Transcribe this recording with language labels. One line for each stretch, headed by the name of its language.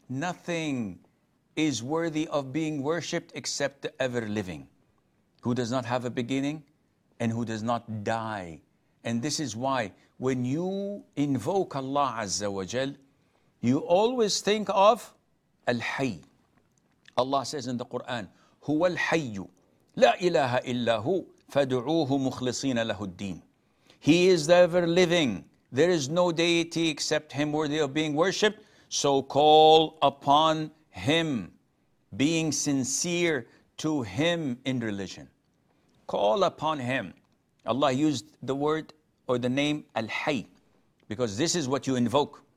English: Nothing is worthy of being worshipped except the ever-living, who does not have a beginning and who does not die. And this is why when you invoke Allah Azza wa Jal, you always think of Al-Hayy. Allah says in the Quran,
Arabic: هُوَ الْحَيُّ لَا إِلَهَ إِلَّا هُوَ فَدُعُوهُ مُخْلِصِينَ لَهُ الدِّينَ.
English: He is the ever-living. There is no deity except Him worthy of being worshipped. So call upon Him, being sincere to Him in religion. Call upon Him. Allah used the word or the name Al-Hayy, because this is what you invoke.